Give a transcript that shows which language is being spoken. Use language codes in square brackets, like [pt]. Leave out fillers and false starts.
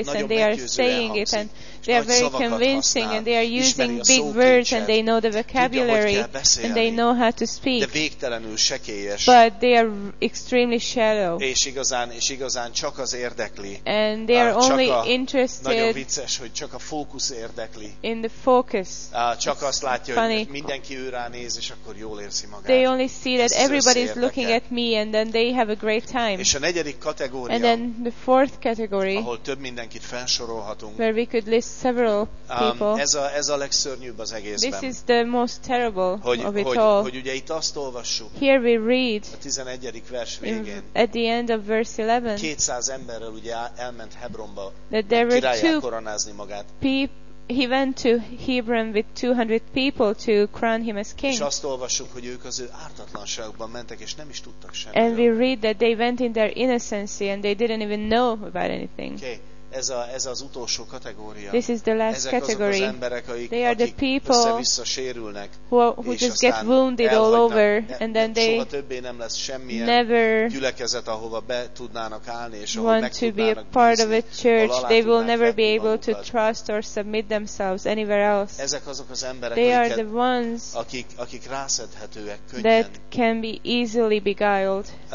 [en] this and they are saying it and they are very convincing [hu] használ, [en] and they are using big words and they know the vocabulary [hu] beszélni, [en] and they know how to speak. [hu] De végtelenül sekélyes. [en] But they are extremely shallow. [hu] És igazán csak az érdekli. [en] And they are only interested. [hu] Nagyon vicces, hogy csak a fókusz érdekli. [en] In the focus. [hu] Csak azt látja, [en] funny. [hu] Hogy mindenki őrá néz, és akkor jól érzi magát. [en] They only see that everybody is looking at me and then they have a great time. [hu] És a negyedik kategória. [en] And then the fourth category. [hu] Ahol több mindenkit felsorolhatunk. [en] Where we could list several people. [hu] Ez a legszörnyűbb az egészben. [en] This is the most terrible [hu] hogy, [en] of it [hu] hogy, [en] all. [hu] Hogy ugye itt azt olvassuk. [en] Here we read. [hu] A 11. vers végén. [en] At the end of verse 11. [hu] 200 emberrel ugye elment Hebronba. [en] That there were two [hu] koronázni magát. [en] He went to Hebron with 200 people to crown him as king. [hu] És azt olvassuk, hogy ők az ő ártatlanságban mentek és nem is tudtak semmit. [en] And we read that they went in their innocency and they didn't even know about anything. [hu] Okay. Ez az utolsó kategória. [en] This is the last [hu] ezek [en] category. [hu] Azok az emberek, akik [en] they are the people [hu] össze-vissza sérülnek, [en] who just get wounded all over and then they [hu] soha többé nem lesz semmilyen gyülekezet, ahova be tudnának állni és ahol [en] want [hu] meg [en] to be a part of a church. They will never be able to trust or submit themselves anywhere else. [hu] Ezek azok az emberek, [en] they are the ones [hu] akik rászedhetőek könnyen. [en] That can be easily beguiled.